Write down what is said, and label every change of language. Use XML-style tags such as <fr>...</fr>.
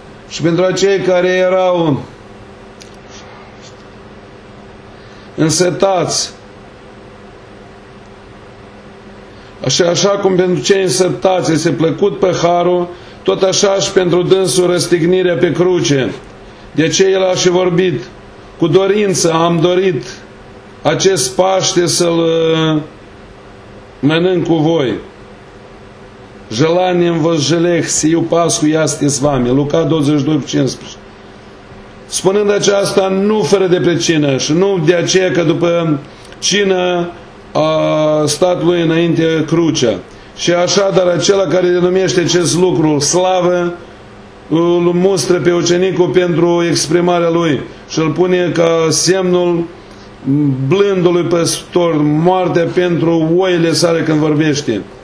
<ro>Și pentru cei care erau însetați, așa cum pentru cei însetați este plăcut paharul, tot așa și pentru dânsul răstignirea pe cruce. De aceea El a și vorbit, cu dorință am dorit acest Paște să-L mănânc cu voi.</ro> <cu>Желанием возжелех сию Пасху ясти с вами.</cu> <ro>Luca 22,15. Spunând aceasta, nu fără de pricină și nu de aceea că după cină a stat Lui înainte crucea. Și așa, dar acela care denumește acest lucru slavă, îl mustră pe ucenicul pentru exprimarea lui și îl pune ca semnul blândului păstor, moartea pentru oile sale când vorbește.</ro>